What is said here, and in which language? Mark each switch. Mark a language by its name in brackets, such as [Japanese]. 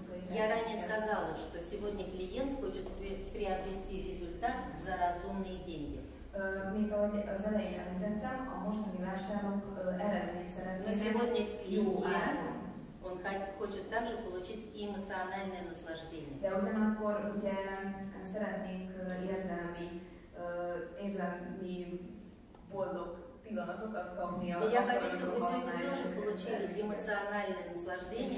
[Russian] Я ранее сказала, что сегодня клиент хочет приобрести результат за разумные деньги. Но сегодня клиент, он хочет хочет также получить и эмоциональное наслаждение. [Hungarian] De ugyanakkor ugye szeretnék érzelmi, érzelmi boldog pillanatokat kapni. [Russian] Я хочу, чтобы сегодня тоже получили эмоциональное наслаждение.